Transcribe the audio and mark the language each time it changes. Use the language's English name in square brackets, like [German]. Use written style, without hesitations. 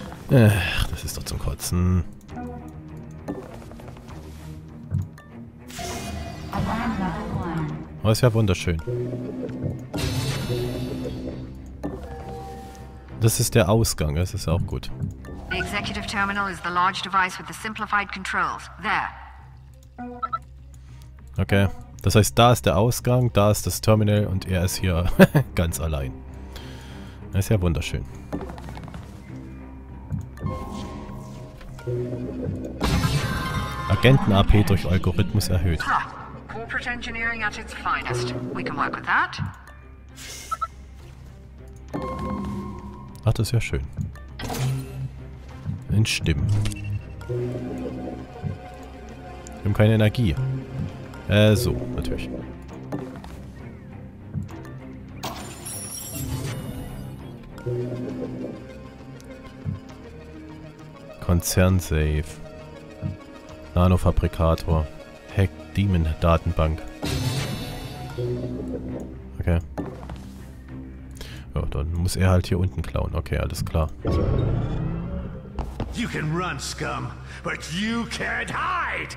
[German] Ach, das ist doch zum Kotzen. Oh, ist ja wunderschön. Das ist der Ausgang, das ist ja auch gut. [English] The executive terminal is the large device with the simplified controls. There. [German] Okay, das heißt, da ist der Ausgang, da ist das Terminal und er ist hier ganz allein. Das ist ja wunderschön. Agenten-AP durch Algorithmus erhöht. [English] Corporate Engineering at its finest. We can work with that. [German] Ach, das ist ja schön. In Stimmen. Wir haben keine Energie. So, natürlich. Konzernsafe. Nanofabrikator. Hack Demon Datenbank. Okay. Ja, dann muss er halt hier unten klauen. Okay, alles klar. [English] You can run, scum, but you can't hide.